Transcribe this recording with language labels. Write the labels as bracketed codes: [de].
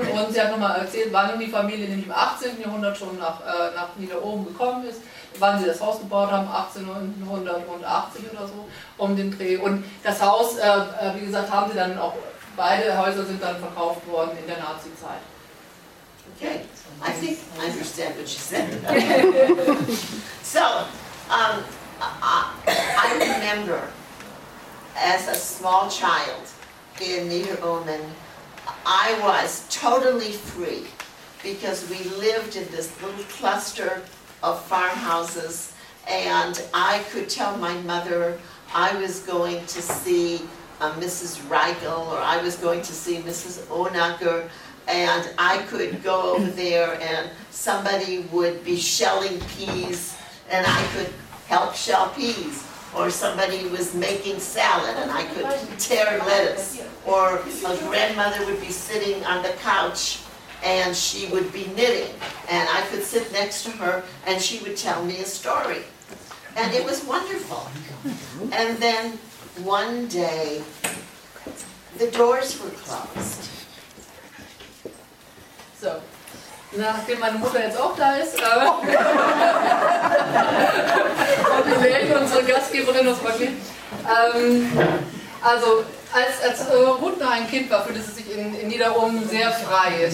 [de] Und sie hat nochmal erzählt, wann die Familie nämlich im 18. Jahrhundert schon nach Niederohm gekommen ist. Wann sie das Haus gebaut haben, 1880 oder so, um den Dreh. Und das Haus, wie gesagt, haben sie dann auch, beide Häuser sind dann verkauft worden in der Nazi-Zeit. [en] Okay, I think I understand what you said. So, I remember as a small child in Niederohm, I was totally free because we lived in this little cluster of farmhouses, and I could tell my mother I was going to see Mrs. Reichel or I was going to see Mrs. Onacker, and I could go over there and somebody would be shelling peas and I could help shell peas, or somebody was making salad and I could tear lettuce, or a grandmother would be sitting on the couch and she would be knitting, and I could sit next to her, and she would tell me a story. And it was wonderful. And then one day, the doors were closed. [de] So, nachdem meine Mutter jetzt auch da ist, und die Welt, unsere Gastgeberin aus Brooklyn, also, Als Ruth noch ein Kind war, fühlte sie sich in Niederohm sehr frei.